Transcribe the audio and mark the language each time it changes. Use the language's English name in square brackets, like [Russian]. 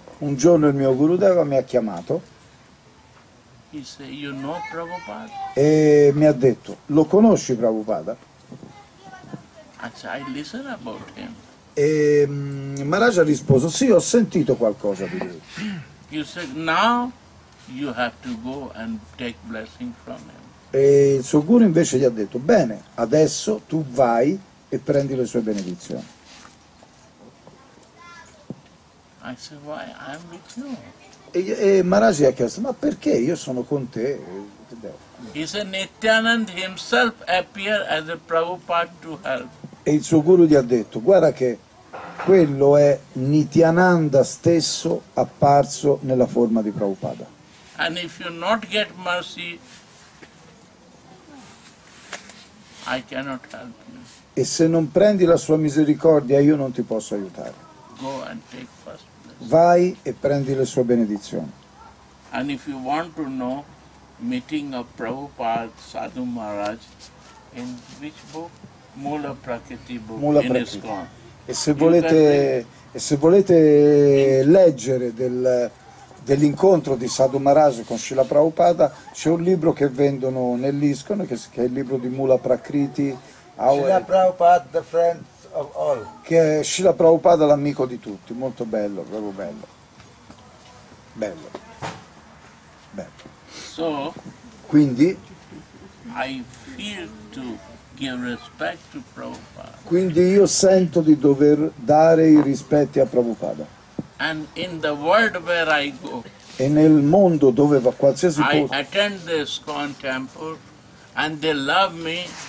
[Italian] Un giorno il mio Gurudeva mi ha chiamato. [English] You know Prabhupada? [Italian] E mi ha detto, lo conosci Prabhupada? [English] I listen about him. [Italian] E Maharaj ha risposto, sì, ho sentito qualcosa di lui. [English] You said, now you have to go and take blessing from him. [Italian] E il suo guru invece gli ha detto, bene, adesso tu vai e prendi le sue benedizioni. [English] I said, why? I'm with you. [Italian] E Maharaj ha chiesto, ma perché io sono con te? [English] Nityananda himself appear as a Prabhupada to help. [Italian] E il suo guru gli ha detto, guarda che quello è Nityananda stesso apparso nella forma di Prabhupada. [English] And if you not get mercy, I cannot help you. [Italian] E se non prendi la sua misericordia, io non ti posso aiutare. [English] Go and take. [Italian] Vai e prendi le sue benedizioni. [English] And if you want to know meeting of Prabhupada Sadhu Maharaj in which book? Mula Prakriti book. Mula Prakriti. [Italian] E se volete leggere dell'incontro di Sadhu Maharaj con Srila Prabhupada, c'è un libro che vendono nell'ISKCON che è il libro di Mula Prakriti. [English] Srila Prabhupada, the friend. [Italian] Che è Srila Prabhupada l'amico di tutti, molto bello, proprio bello. Bello. Bello. [English] So, [Italian] quindi [English] I feel to give respect to Prabhupada. [Italian] Quindi io sento di dover dare i rispetti a Prabhupada. [English] And in the world where I go. [Italian] E nel mondo dove va qualsiasi posto. [English] I attend this ISKCON temple and they love me.